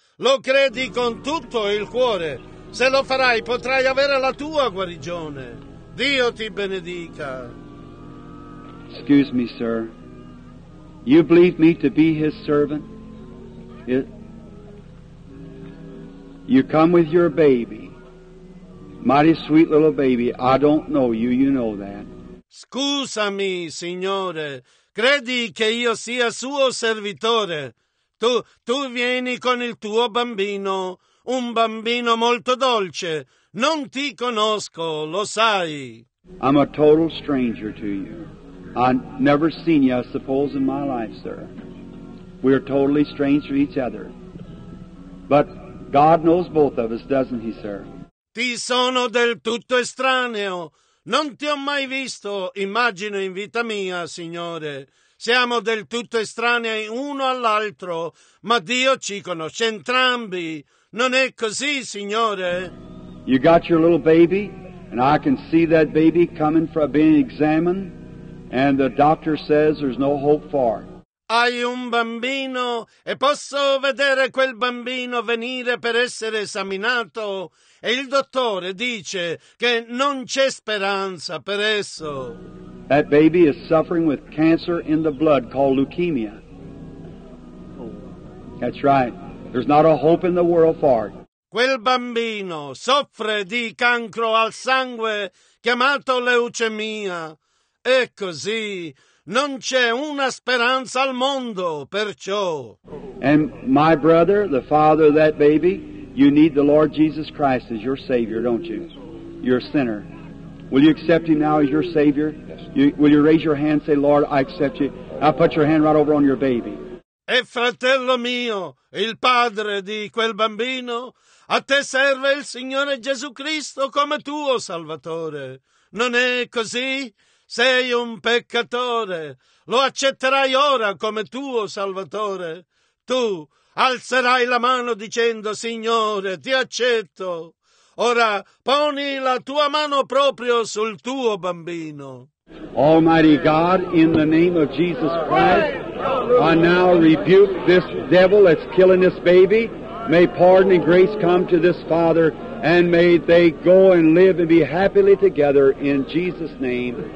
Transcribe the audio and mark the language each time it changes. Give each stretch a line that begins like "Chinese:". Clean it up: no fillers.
Italian: Lo credi con tutto il cuore. Se lo farai, potrai avere la tua guarigione. Dio ti benedica.
English: Excuse me, sir. You believe me to be his servant? You come with your baby. Mighty sweet little baby. I don't know you. You know that.
Italian: Scusami, signore. Credi che io sia suo servitore? Tu vieni con il tuo bambino, un bambino molto dolce. Non ti conosco, lo sai.
English: I'm a total stranger to you. I've never seen you, I suppose, in my life, sir. We are totally strange to each other. But God knows both of us, doesn't he, sir?
Italian: Ti sono del tutto estraneo. Non ti ho mai visto, immagino, in vita mia, signore. Siamo del tutto estranei uno all'altro, ma Dio ci conosce entrambi. Non è così, signore?
English: You got your little baby, and I can see that baby coming for being examined, and the doctor says there's no hope for it.
Italian: Hai un bambino, e posso vedere quel bambino venire per essere esaminato, e il dottore dice che non c'è speranza per esso.
English: That baby is suffering with cancer in the blood called leukemia. That's right. There's not a hope in the world for it.
Italian: Quel bambino soffre di cancro al sangue chiamato leucemia. È così. Non c'è una speranza al mondo, perciò.
English: And my brother, the father of that baby, you need the Lord Jesus Christ as your Savior, don't you? You're a sinner. Will you accept him now as your Savior? Will you raise your hand and say, Lord, I accept you. I'll put your hand right over on your baby.
Italian: E fratello mio, il padre di quel bambino, a te serve il Signore Gesù Cristo come tuo salvatore. Non è così? Sei un peccatore. Lo accetterai ora come tuo salvatore. Tu alzerai la mano dicendo, Signore, ti accetto. Ora poni la tua mano proprio sul tuo bambino.
English: Almighty God, in the name of Jesus Christ, I now rebuke this devil that's killing this baby. May pardon and grace come to this father, and may they go and live and be happily together in Jesus' name.